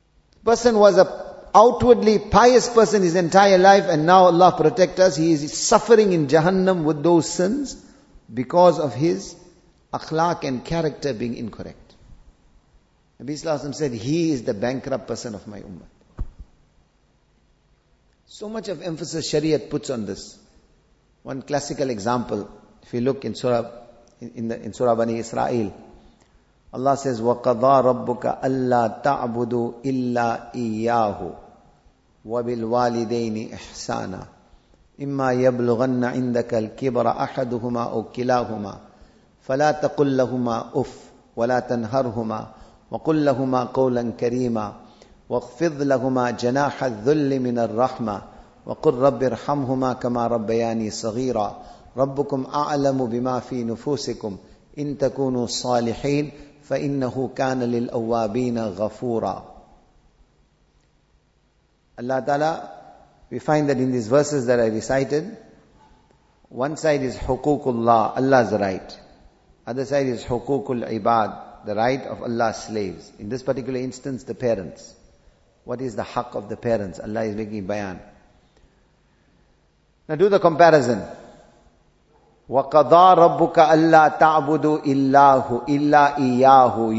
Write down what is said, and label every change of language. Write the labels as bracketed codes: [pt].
[en] The person was a outwardly pious person his entire life, and now Allah protect us, he is suffering in Jahannam with those sins because of his akhlaq and character being incorrect. Nabi Sallallahu Alaihi Wasallam said, he is the bankrupt person of my ummah. So much of emphasis Shariat puts on this. One classical example, if you look in Surah Bani Israel, Allah says, [ar] وَقَضَى رَبُّكَ أَلَّا تَعْبُدُوا إِلَّا إِيَّاهُ وَبِالْوَالِدَيْنِ إِحْسَانًا إِمَّا يَبْلُغَنَّ عِنْدَكَ الْكِبْرَ أَحَدُهُمَا أُكِلَاهُمَا فَلَا تَقُلْ لَهُمَا أُفْ وَلَا تَنْهَرْهُمَا وَقُلْ لَهُمَا قَوْلًا كَرِيمًا وَاخْفِضْ لَهُمَا جَنَاحَ الذُّلِّ مِنَ الرَّحْمَةِ وَقُلْ رَبِّ ارْحَمْهُمَا كَمَا رَبَّيَانِي صَغِيرًا رَبُّكُمْ أَعْلَمُ بِمَا فِي نُفُوسِكُمْ إِن تَكُونُوا صَالِحِينَ فَإِنَّهُ كَانَ لِلْأَوَّابِينَ غَفُورًا [en] Allah Ta'ala, we find that in these verses that I recited, one side is حُقُوقُ اللَّهِ Allah's right. Other side is hukukul ibad, the right of Allah's slaves. In this particular instance, the parents. What is the haqq of the parents? Allah is making bayan. Now do the comparison. [ar] وَقَضَى رَبُّكَ أَلَّا تَعْبُدُوا إِلَّهُ إِلَّا إِيَّاهُ.